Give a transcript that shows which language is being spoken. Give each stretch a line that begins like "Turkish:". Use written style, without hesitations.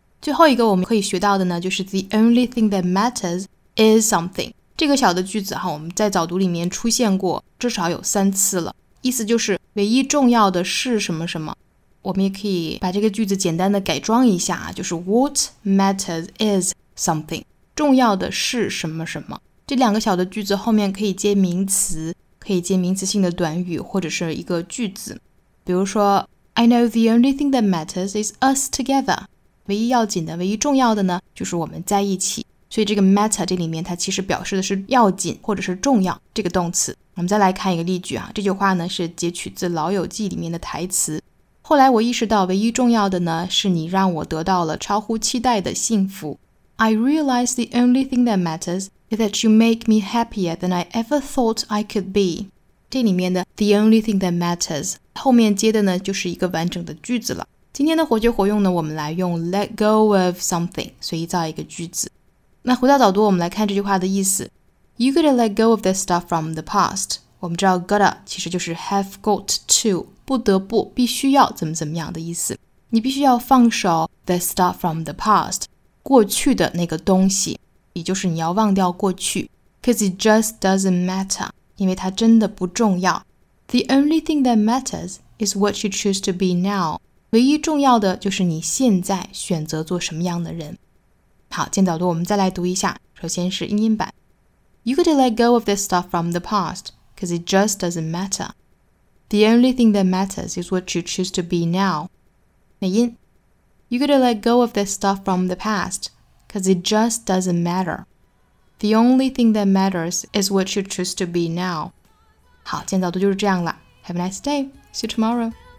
Chinese: 最后一个我们可以学到的呢，就是
English: the only thing that matters is something，
Chinese: 这个小的句子哈，我们在早读里面出现过至少有三次了，意思就是唯一重要的是什么什么。我们也可以把这个句子简单的改装一下，就是
English: what matters is something，
Chinese: 重要的是什么什么。这两个小的句子后面可以接名词，可以接名词性的短语或者是一个句子。比如说
English: I know the only thing that matters is us together.
Chinese: 唯一要紧的，唯一重要的呢，就是我们在一起。所以这个 matter 这里面它其实表示的是要紧或者是重要这个动词。我们再来看一个例句啊，这句话呢是截取自《老友记》里面的台词。后来我意识到唯一重要的呢，是你让我得到了超乎期待的幸福。
English: I realize the only thing that matters is that you make me happier than I ever thought I could be.
Chinese: 这里面的
English: the only thing that matters
Chinese: 后面接的呢就是一个完整的句子了。今天的活学活用呢，我们来用
English: let go of something
Chinese: 随意造一个句子。那回到早读，我们来看这句话的意思。
English: You gotta let go of that stuff from the past.
Chinese: 我们知道 gotta 其实就是 have got to， 不得不必须要怎么怎么样的意思。你必须要放手
English: the stuff from the past，
Chinese: 过去的那个东西，也就是你要忘掉过去。
English: Because it just doesn't matter，
Chinese: 因为它真的不重要。
English: The only thing that matters is what you choose to be now，
Chinese: 唯一重要的就是你现在选择做什么样的人。好，简导读我们再来读一下，首先是英音版。
English: You gotta let go of this stuff from the past, because it just doesn't matter. The only thing that matters is what you choose to be now.
Chinese: 美音。
English: You gotta let go of this stuff from the past, because it just doesn't matter. The only thing that matters is what you choose to be now.
Chinese: 好，简导读就是这样了。
English: Have a nice day. See you tomorrow.